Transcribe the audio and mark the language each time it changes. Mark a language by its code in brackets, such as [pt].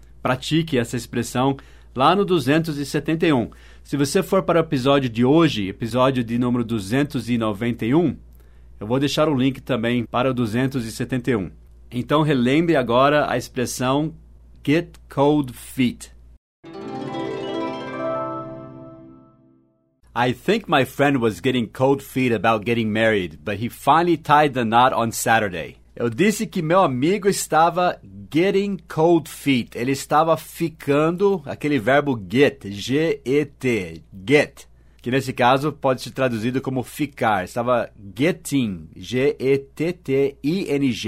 [pt] Pratique essa expressão. Lá no 271, se você for para o episódio de hoje, episódio de número 291, eu vou deixar o link também para o 271. Então, relembre agora a expressão [en] get cold feet. I think my friend was getting cold feet about getting married, but he finally tied the knot on Saturday. [pt] Eu disse que meu amigo estava [en] getting cold feet. [pt] Ele estava ficando, aquele verbo get, G-E-T, get. Que nesse caso pode ser traduzido como ficar. Estava getting, G-E-T-T-I-N-G.